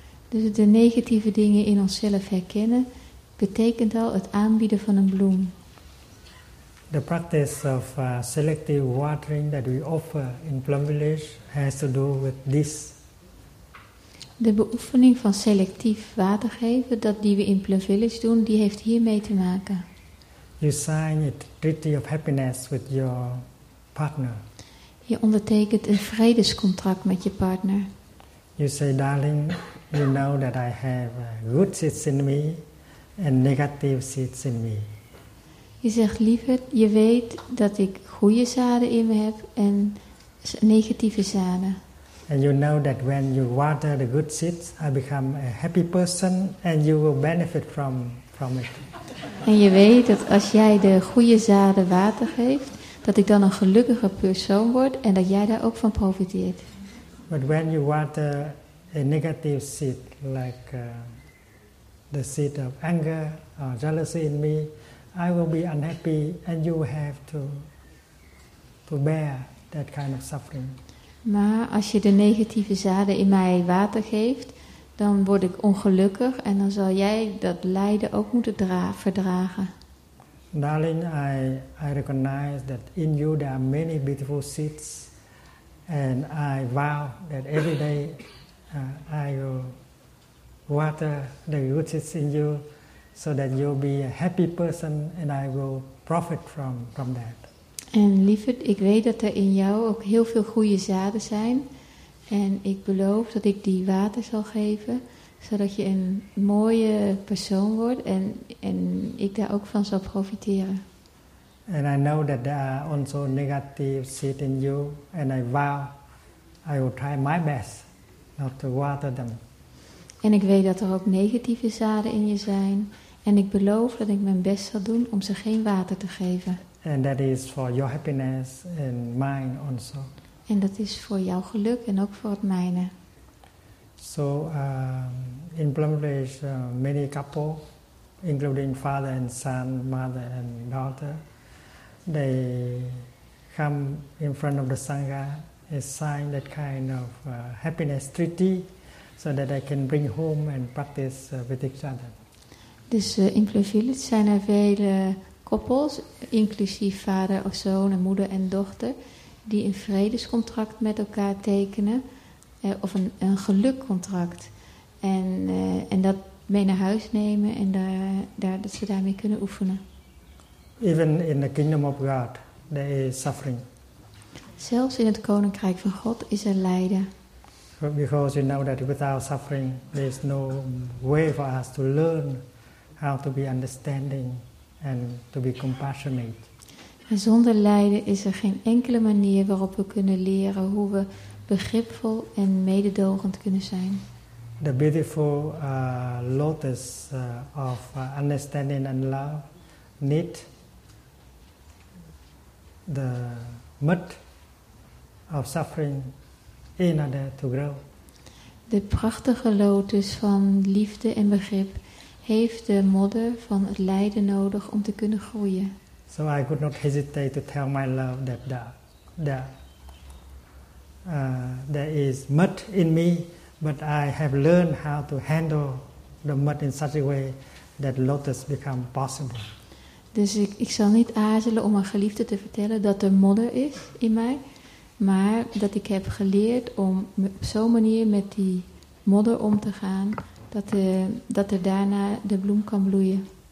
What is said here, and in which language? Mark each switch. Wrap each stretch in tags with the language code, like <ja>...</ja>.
<nl>Dus de negatieve dingen in onszelf herkennen betekent al het aanbieden van een bloem.</nl> <en>The practice of selective watering that we offer in Plum Village has to do with this.</en> <nl>De beoefening van selectief water geven, dat die we in Plum Village doen, die heeft hiermee te maken.</nl> <en>You sign a treaty of happiness with your partner.</en> <nl>Je ondertekent een vredescontract met je partner.</nl> <en>You say, darling, you know that I have good seeds in me and negative seeds in me.</en> <nl>Je zegt, lieverd, je weet dat ik goede zaden in me heb en negatieve zaden.</nl> <en>And you know that when you water the good seeds, I become a happy person and you will benefit from it.</en> <nl>En je weet dat als jij de goede zaden water geeft, dat ik dan een gelukkiger persoon word en dat jij daar ook van profiteert.</nl> <en>But when you water a negative seed, like the seed of anger or jealousy in me, I will be unhappy and you will have to bear that kind of suffering.</en> <nl>Maar als je de negatieve zaden in mij water geeft, dan word ik ongelukkig en dan zal jij dat lijden ook moeten verdragen.</nl> <en>Darling, I recognize that in you there are many beautiful seeds. And I vow that every day I will water the good seeds in you so that you'll be a happy person and I will profit from that.</en> <nl>En lieverd, ik weet dat er in jou ook heel veel goede zaden zijn. En ik beloof dat ik die water zal geven, zodat je een mooie persoon wordt en ik daar ook van zal profiteren.</nl> <en>And I know that there are also negative seeds in you, and I vow I will try my best not to water them.</en> <nl>En ik weet dat er ook negatieve zaden in je zijn, en ik beloof dat ik mijn best zal doen om ze geen water te geven.</nl> <en>And that is for your happiness and mine also.</en> <nl>En dat is voor jouw geluk en ook voor het mijne.</nl> <en>So in Plum Village, many couples, including father and son, mother and daughter, they come in front of the Sangha and sign that kind of happiness treaty so that they can bring home and practice with each other.</en> <nl>Dus in Plum Village zijn er vele koppels, inclusief vader of zoon en moeder en dochter, die een vredescontract met elkaar tekenen, of een gelukcontract. En dat mee naar huis nemen en daar dat ze daarmee kunnen oefenen.</nl> <en>Even in the kingdom of God, there is suffering.</en> <nl>Zelfs in het koninkrijk van God is er lijden.</nl> <en>Because you know that without suffering, there is no way for us to learn how to be understanding and to be compassionate.</en> <nl>En zonder lijden is er geen enkele manier waarop we kunnen leren hoe we begripvol en mededogend kunnen zijn.</nl> <en>The beautiful lotus of understanding and love need the mud of suffering in order to grow.</en> <nl>De prachtige lotus van liefde en begrip heeft de modder van het lijden nodig om te kunnen groeien.</nl> <en>So I could not hesitate to tell my love that there is mud in me, but I have learned how to handle the mud in such a way that lotus become possible.</en> <nl>Dus ik zal niet aarzelen om mijn geliefde te vertellen dat er modder is in mij, maar dat ik heb geleerd om op zo'n manier met die modder om te gaan, dat er daarna de bloem kan bloeien.</nl>